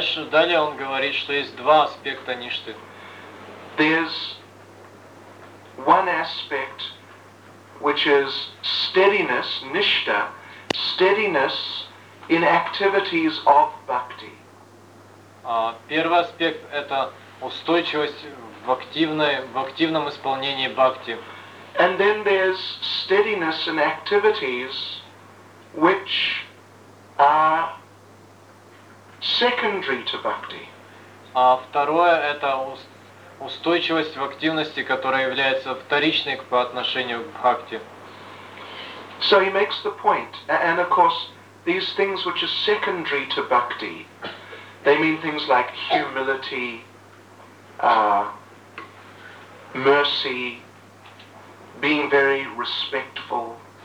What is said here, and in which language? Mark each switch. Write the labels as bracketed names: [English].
[Russian] Далее он говорит, что есть два аспекта ништы. [English] There's one aspect which is steadiness, nishta, steadiness in activities of bhakti. [Russian] Первый аспект – это устойчивость в активном исполнении бхакти. [English] And then there's steadiness in activities which are secondary to bhakti. [Russian] А второе – это устойчивость в активности, которая является вторичной по отношению к бхакти. [English] So he makes the point, and of course, these things which are secondary to bhakti, they mean things like humility, mercy, being very respectful.